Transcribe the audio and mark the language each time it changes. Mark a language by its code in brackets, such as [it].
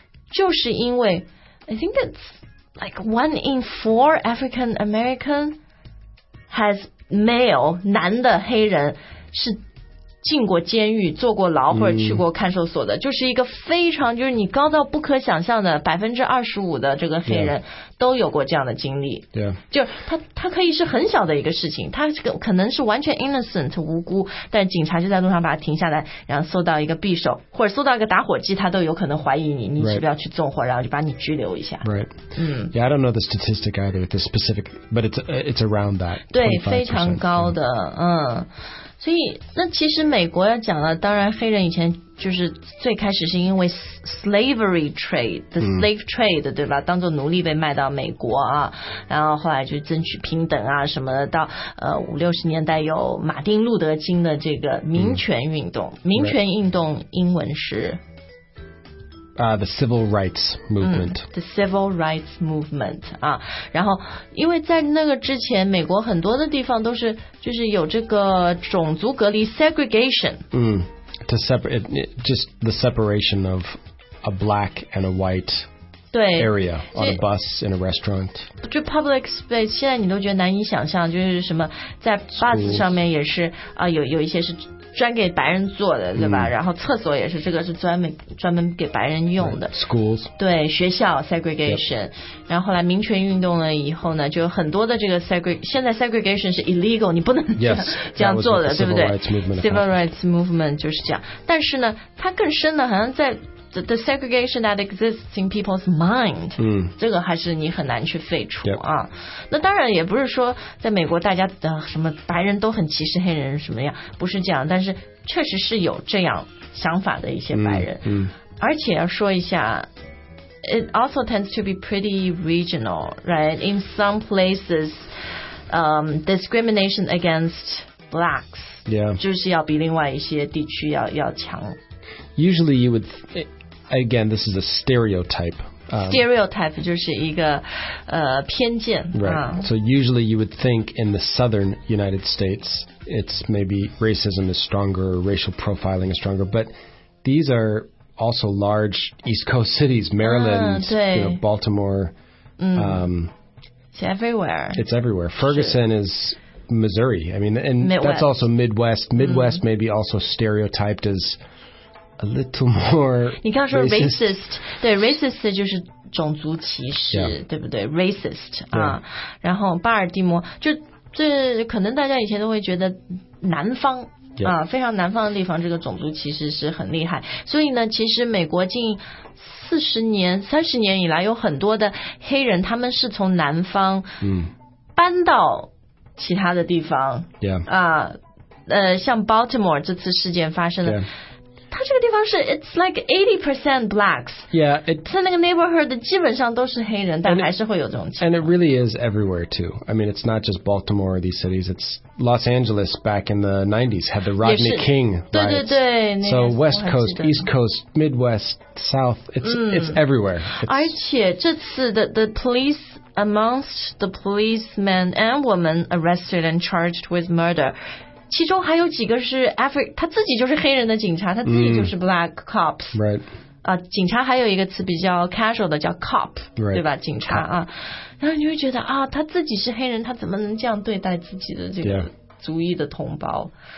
[zh] 就是因为 [en] I think it's like 1 in 4 African American has male [zh] 男的黑人是进过监狱、坐过牢或者去过看守所的，就是一个非常就是你高到不可想象的25%的这个黑人都有过这样的经历。对、yeah. ，就他可以是很小的一个事情，他可能是完全 innocent 无辜，但警察就在路上把他停下来，然后搜到一个匕首或者搜到一个打火机，他都有可能怀疑你，你是不是要去纵火，然后就把你拘留一下。 [en] Right. Yeah, I don't know the statistic either, the specific, but it's around that. [zh] 对，非常高的，所以那其实美国要讲了，当然黑人以前就是最开始是因为 slavery trade， the slave trade， 对吧，当做奴隶被卖到美国啊，然后后来就争取平等啊什么的，到50-60年代有马丁路德金的这个民权运动，民权运动英文是 [en] The civil rights movement. The civil rights movement. [zh] 啊，然后因为在那个之前，美国很多的地方都是就是有这个种族隔离 segregation. [en] To separate, just the separation of a black and a white area on a bus in a restaurant. [zh] 就 public space， 现在你都觉得难以想象，就是什么在 bus 上面也是啊，有一些是。专给白人做的，对吧？然后厕所也是，这个是专门给白人用的。 [en] Right. Schools， [zh] 对，学校 segregation、 [en] yep.。 [zh] 然后后来民权运动了以后呢，就有很多的这个 现在 segregation 是 illegal， 你不能这 [en] yes, [zh] 这样做的，对不对 [en] ？Civil [zh] rights movement 就是这样。但是呢，它更深的，好像在 [en] the segregation that exists in people's mind， [zh] 这个还是你很难去废除、 [en] yep. [zh] 啊。那当然也不是说在美国大家的什么白人都很歧视黑人什么样，不是这样，但是确实是有这样想法的一些白人。而且要说一下。 [en] It also tends to be pretty regional, right? In some places, discrimination against blacks. Yeah. [zh] 就是要比另外一些地区要强。 [en] Usually you would, again, this is a stereotype. [zh] Stereotype 就是一个偏见。 [en] Right. So usually you would think in the southern United States, it's maybe racism is stronger, racial profiling is stronger, but these are... also large East Coast cities, Maryland, you know, Baltimore. It's everywhere. It's everywhere. Ferguson is Missouri. I mean, and、 Midwest. That's also Midwest. Midwest、maybe also stereotyped as a little more [zh] 你刚刚说 [en] racist. [zh] 对 racist 就是种族歧视、 [en] yeah. [zh] 对不对 racist、 [en] yeah. [zh] 然后巴尔的摩就这可能大家以前都会觉得南方 [en] Yep. [zh] 啊，非常南方的地方，这个种族歧视是很厉害。所以呢，其实美国近30年、30年以来，有很多的黑人，他们是从南方搬到其他的地方。 [en] Yeah. [zh] 啊，像 Baltimore 这次事件发生的。 [en] Yeah. [zh] 它这个地方是 [en] it's like 80% blacks. Yeah, it, [zh] 在那个 neighborhood 基本上都是黑人，但还是会有这种情况。 [en] And it really is everywhere too. I mean, it's not just Baltimore or these cities. It's Los Angeles back in the 90s had the Rodney King riots. [zh] 对对对，那个、 [en] so West Coast, East Coast, Midwest, South, it's、it's everywhere. It's, [zh] 而且这次的 [en] the police amongst the policemen and women arrested and charged with murder. [zh] 其中还有几个是 他自己就是黑人的警察，他自己就是 black cops、 [en] right. [zh] 啊、警察还有一个词比较 casual 的叫 cop、 [en] right. [zh] 对吧，警察啊，然后你会觉得啊，他自己是黑人，他怎么能这样对待自己的这个族裔的同胞、